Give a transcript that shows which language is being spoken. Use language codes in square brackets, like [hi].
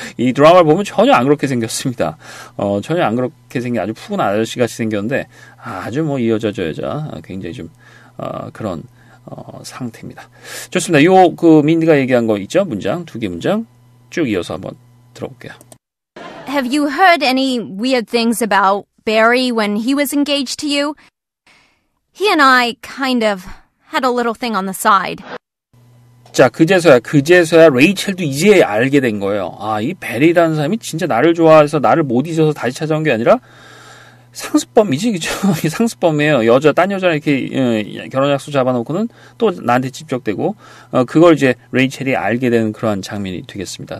[ko] 이 드라마를 보면 전혀 안 그렇게 생겼습니다. 전혀 안 그렇게 생긴 아주 푸근한 아저씨같이 생겼는데 아주 뭐 이 여자 저 여자 굉장히 좀 그런 상태입니다. 좋습니다. 요 그 민디가 얘기한 거 있죠? 문장 두 개 문장 쭉 이어서 한번 들어볼게요. [en] Have you heard any weird things about Barry when he was engaged to you? He and I kind of had a little thing on the side. [ko] 자, 그제서야 레이첼도 이제 알게 된 거예요. 아, 이 베리라는 사람이 진짜 나를 좋아해서 나를 못 잊어서 다시 찾아온 게 아니라 상습범이지, 그죠? 상습범이에요. 여자, 딴 여자랑 이렇게 결혼 약속 잡아놓고는 또 나한테 집적되고 그걸 이제 레이첼이 알게 된 그런 장면이 되겠습니다.